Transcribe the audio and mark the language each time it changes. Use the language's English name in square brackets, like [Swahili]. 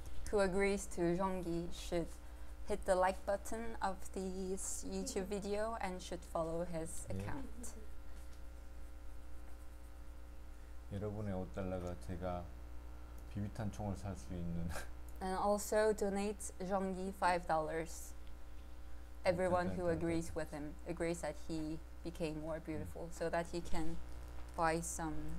[English] who agrees to Jeonggi should hit the like button of this YouTube video and should follow his account. [Korean] 여러분의 $5가 제가 비비탄 총을 살 수 있는. [English] And also donate Jeonggi $5. Everyone who agrees with him agrees that he became more beautiful, so that he can buy some